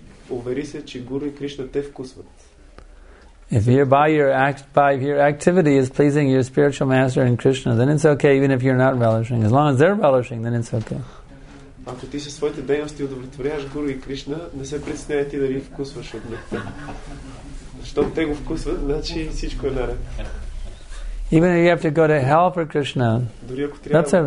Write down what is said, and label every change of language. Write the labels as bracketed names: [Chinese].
[Bulgarian] Увери се, че Гуру и Кришна те вкусват. [English] If your activity is pleasing your spiritual master and Krishna, then it's okay even if you're not relishing. As long as they're relishing, then it's okay. [Bulgarian] Ако ти със своите дейности удовлетворяваш Гуру и Кришна, не се притеснявай ти дали вкусваш от нектар. Щом те го вкусват, значи всичко е наред. [English] Even if you have to go to hell for Krishna, that's all